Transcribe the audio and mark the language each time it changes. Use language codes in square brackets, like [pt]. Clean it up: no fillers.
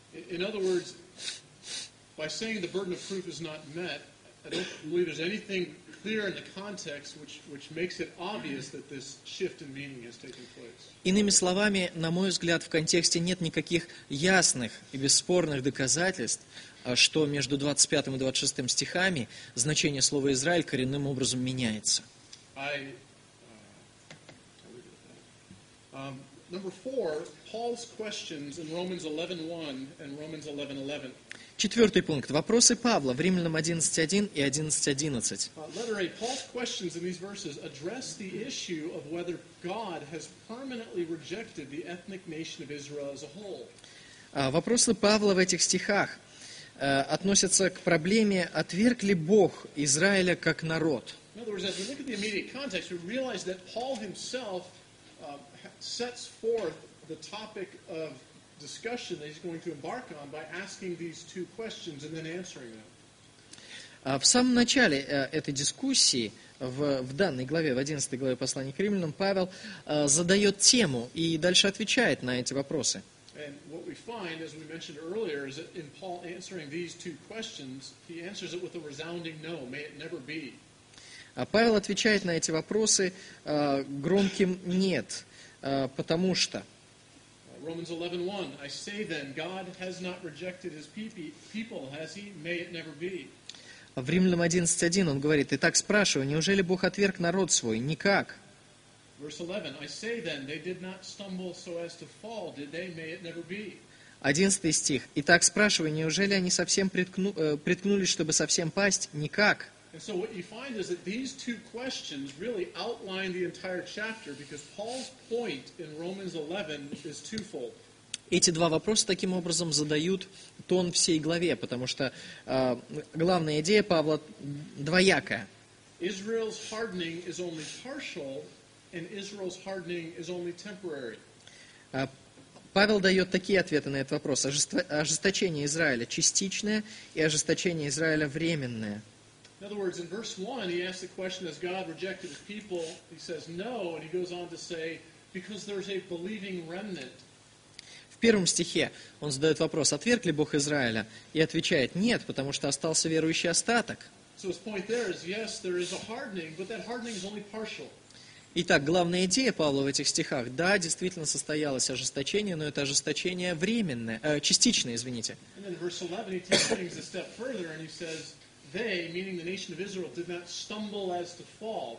[en] In other words, by saying the burden of proof is not met, I don't believe there's anything clear in the context which makes it obvious that this shift in meaning has taken place. [ru] Иными словами, на мой взгляд, в контексте нет никаких ясных и бесспорных доказательств, что между 25 и 26 стихами значение слова «Израиль» коренным образом меняется. [en] Number four, Paul's questions in Romans 11:1 and Romans 11:11. [ru] Четвертый пункт. Вопросы Павла в Римлянам 11:1 и 11:11. Вопросы Павла в этих стихах относятся к проблеме, отверг ли Бог Израиля как народ. [en] In other words, as we look at the immediate context, we realize that Paul himself sets forth the topic of discussion that he's going to embark on by asking these two questions and then answering them. [ru] В самом начале этой дискуссии, в данной главе, в 11 главе послания к Римлянам, Павел задает тему и дальше отвечает на эти вопросы. [en] And what we find, as we mentioned earlier, is that in Paul answering these two questions, he answers it with a resounding no, may it never be. [ru] Павел отвечает на эти вопросы громким нет, потому что [en] Romans 11:1. I say then, God has not rejected his people, has he? May it never be. [ru] В Римлянам 11:1 он говорит: «Итак, спрашиваю, неужели Бог отверг народ свой? Никак». [en] Verse 11. I say then, they did not stumble so as to fall, did they? May it never be. [ru] 11 стих. «Итак, спрашиваю, неужели они совсем приткнулись, чтобы совсем пасть? Никак». [en] And so what you find is that these two questions really outline the entire chapter, because Paul's point in Romans 11 is twofold. [ru] Эти два вопроса таким образом задают тон всей главе, потому что главная идея Павла двоякая. [en] Israel's hardening is only partial, and Israel's hardening is only temporary. [ru] Павел дает такие ответы на этот вопрос. Ожесточение Израиля частичное, и ожесточение Израиля временное. [en] In other words, in verse 1, he asks the question, has God rejected his people? He says, no, and he goes on to say, because there's a believing remnant. [ru] В первом стихе он задает вопрос, отверг ли Бог Израиля? И отвечает, нет, потому что остался верующий остаток. [en] So his point there is, yes, there is a hardening, but that hardening is only partial. [ru] Итак, главная идея Павла в этих стихах, да, действительно состоялось ожесточение, но это ожесточение временное, частичное, извините. [en] And then in verse 11, he takes things a step further, and he says, they, meaning the nation of Israel, did not stumble as to fall.